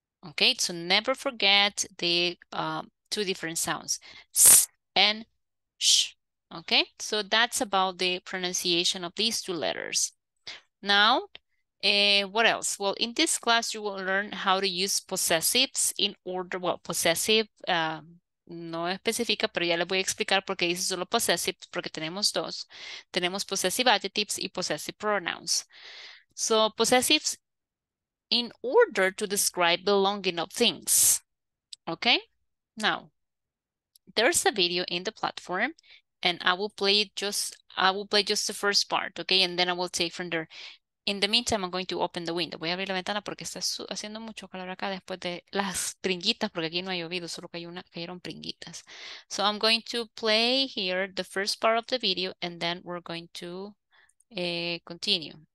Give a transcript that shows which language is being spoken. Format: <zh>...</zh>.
<en>Okay, so never forget the two different sounds, s and sh. Okay, so that's about the pronunciation of these two letters. Now, what else? Well, in this class, you will learn how to use possessives in order.</en> <es>Well, possessive, no especifica, pero ya le voy a explicar por qué dice solo possessive, porque tenemos dos. Tenemos possessive adjectives y possessive pronouns.</es> <en>So, possessives in order to describe belonging of things. Okay? Now, there's a video in the platform and I will play just the first part, okay? And then I will take from there. In the meantime, I'm going to open the window.</en> <es>Voy a abrir la ventana porque está haciendo mucho calor acá después de las pringuitas, porque aquí no ha llovido, solo cayeron pringuitas.</es> <en>So I'm going to play here the first part of the video and then we're going to continue.</en>